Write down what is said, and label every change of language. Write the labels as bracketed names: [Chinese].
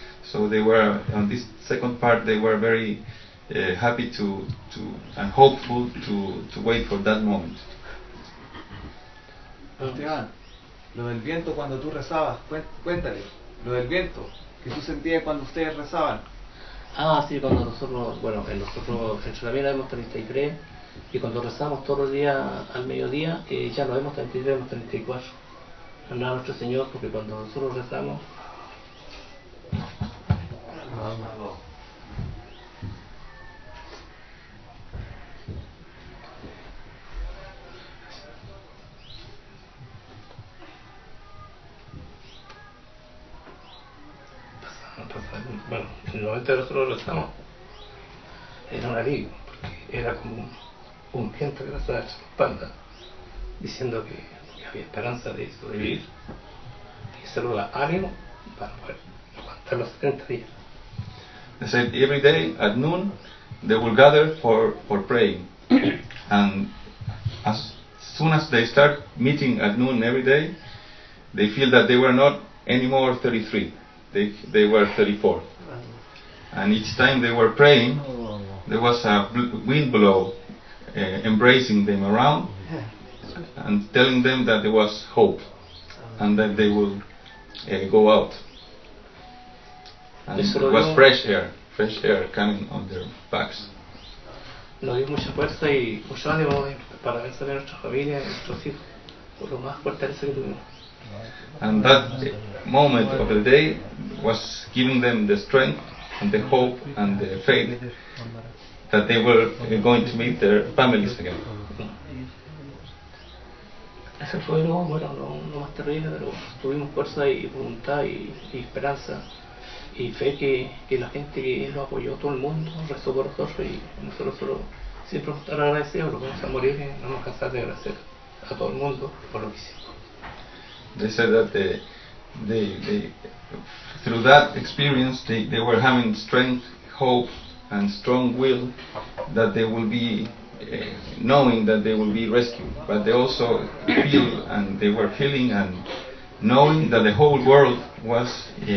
[English] So they were on this second part, they were very happy to and hopeful to wait for that moment. [Spanish] Esteban, lo del viento cuando tú rezabas, cuéntale lo del viento que tú sentías cuando ustedes rezaban. Ah, sí, cuando nosotros entre la mina vemos 33 y cuando rezamos todos los días al mediodía ya no vemos 33, vemos 34. Alaba a nuestro Señor porque cuando nosotros rezamos. Bueno, en el momento de nosotros rezamos, era un alivio, porque era como un viento que nos daba la espalda, diciendo que había esperanza de sobrevivir, y se lo da ánimo para poder aguantar los 30 días. [English] They said every day at noon they will gather for praying, and as soon as they start meeting at noon every day, they feel that they were not anymore 33. They were 34, and each time they were praying, there was a wind blow embracing them around and telling them that there was hope and that they would go out. And there was fresh air coming on their backs. [Spanish] Nos dio mucha fuerza y mucho ánimo para ver salir nuestra familia y nuestros hijos, por lo más fuerte que tuvimos. [English] And that moment of the day was giving them the strength and the hope and the faith that they were going to meet their families again. [Spanish] Ese fue lo bueno, lo más terrible, pero tuvimos fuerza y voluntad y esperanza y fe que la gente que lo apoyó, todo el mundo, rezó por nosotros y nosotros solo siempre estar agradecidos, lo vamos a morir y no nos cansamos de agradecer a todo el mundo por lo que hicimos. [English] They said that they through that experience they were having strength, hope and strong will that they will be knowing that they will be rescued, but they also feel and they were feeling and knowing that the whole world was